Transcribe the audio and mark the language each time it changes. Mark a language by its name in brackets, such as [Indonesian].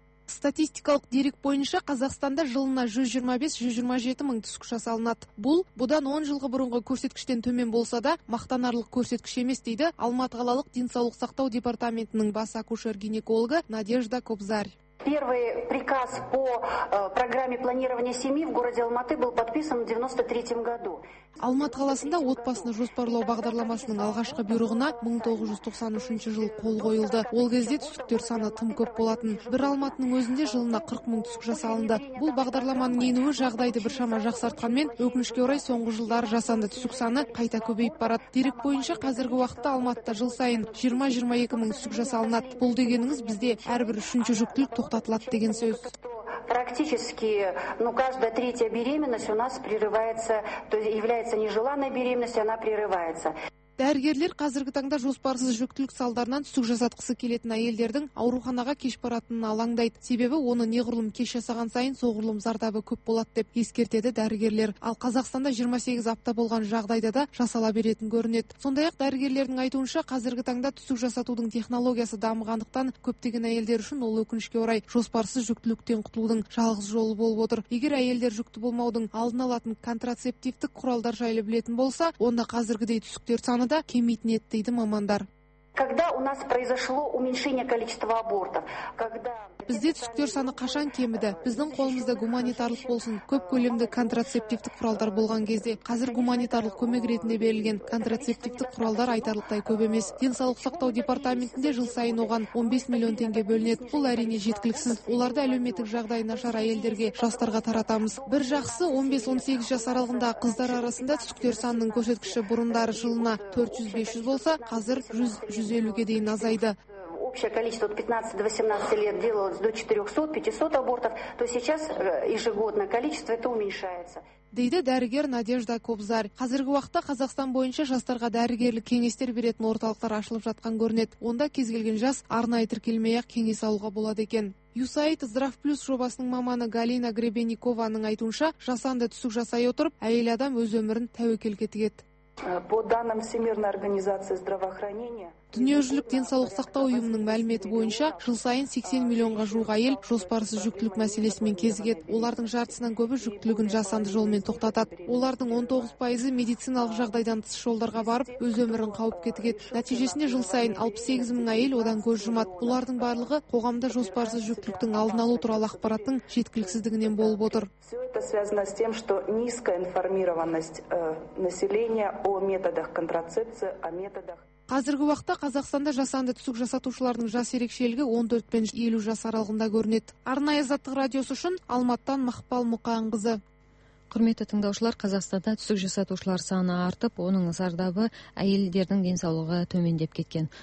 [Kazakh] Статистикалық дерек бойынша Қазақстанда жылына 125-127 мың түсік жасалынады. Бұл бұдан 10 жылғы бұрынғы көрсеткіштен төмен болса да мақтанарлық көрсеткіш емес дейді Алматы қалалық денсаулық сақтау департаментінің бас акушер-гинекологы Надежда Кобзарь. [Russian] Первый приказ по программе планирования семьи в городе Алматы был подписан в 93-м году. [Kazakh] Алматы қаласында отбасыны жоспарлау бағдарламасының алғашқы бұйрығына 1993 жыл қол қойылды. Ол кезде түсіктер саны тым көп болатын. Бір Алматының өзінде жылына 40 мың түсік жасалынды. Бұл бағдарламаның енуі жағдайды біршама жақсартқанмен, өкінішке орай соңғы жылдары жасанды түсік саны қайта көбейіп барады. Дерек бойынша қазіргі уақытта Алматыда жыл сайын 20-22 мың түсік жасалынады. Бұл дегеніңіз бізде әрбір үшінші жүктілік тоқтатылады деген сөз. [Russian] Практически, каждая третья беременность у нас прерывается, то есть является нежеланной беременностью, она прерывается. [Kazakh] Дәрігерлер қазіргі таңда жоспарсыз жүктілік салдарынан түсік жасатқысы келетін әйелдердің ауруханаға кеш баратынын алаңдайды. Себебі оны неғұрлым кеш жасаған сайын соғұрлым зардабы көп болады деп ескертеді дәрігерлер. Ал Қазақстанда 28 апта болған жағдайда да жасала беретін көрінеді. Сондай-ақ дәрігерлердің айтуынша қазіргі таңда түсік жасатудың технологиясы дамығандықтан көптеген әйелдер үшін ол өкінішке орай жоспарсыз жүктіліктен құтылудың жалғыз жолы болып отыр. Егер әйелдер жүкті болмаудың алдын алатын контрацептивтік құралдар жайлы білетін болса, онда қазіргідей түсіктер саны да кемитінеді дейді мамандар. [Russian] Когда у нас произошло уменьшение количества абортов? [Kazakh] Бізде түсіктер саны қашан кеміді? Біздің қолымызда гуманитарлық болсын, көп көлемді контрацептивтік құралдар болған кезде, қазір гуманитарлық көмек ретінде берілген контрацептивтік құралдар айтарлықтай көп емес. Денсаулық сақтау департаментінде жыл сайын оған 15 миллион теңге бөлінеді. Бұл әрине жеткіліксіз. Оларды әлеуметтік жағдайы нашар әйелдерге, жастарға таратамыз. Бір жақсы 15-18 жас аралығында қыздар арасында түсіктер санының көрсеткіші бұрындары жылына 400-500 болса, қазір 150-ге дейін азайды. [Russian] Общее количество 15-18 лет делалось до 400-500 абортов, то сейчас ежегодно количество это уменьшается. [Kazakh] Дейді дәрігер Надежда Кобзар. Қазіргі уақытта Қазақстан бойынша жастарға дәрігерлік кеңестер беретін орталықтар ашылып жатқан көрінеді. Онда кез келген жас арнайы тіркелмей-ақ кеңес алуға болады екен. USAID Здрав Плюс жобасының маманы Галина Гребенникованың айтуынша, жасанды түсік жасай отырып, әйел адам өз өмірін тәуекелге тігеді. [Russian] По данным Всемирной организации здравоохранения, [Kazakh] дүниежүзілік денсаулық сақтау ұйымының мәліметі бойынша жыл сайын 80 миллионға жуық әйел жоспарсыз жүктілік мәселесімен кезігеді. Олардың жартысынан көбі жүктілігін жасанды жолмен тоқтатады. Олардың 19% медициналық жағдайдан тыс жолдарға барып, өз өмірін қауіпке тігеді. Нәтижесінде жыл сайын 68 мың әйел одан көз жұмады. Олардың барлығы қоғамда жоспарсыз жүктіліктің алдын алу туралы ақпараттың жеткіліксіздігінен болып отыр. [Russian] Все это связано с тем, что низкая информированность населения о методах контрацепции, о методах. [Kazakh] Қазіргі уақытта Қазақстанда жасанды түсік жасатушылардың жас ерекшелігі 14-50 жас аралығында көрінеді. Арнайы заттық радиосы үшін Алматыдан Мақпал Мұқанқызы. Құрметті тыңдаушылар, Қазақстанда түсік жасатушылар саны артып, оның зардабы әйелдердің денсаулығы төмендеп кеткен.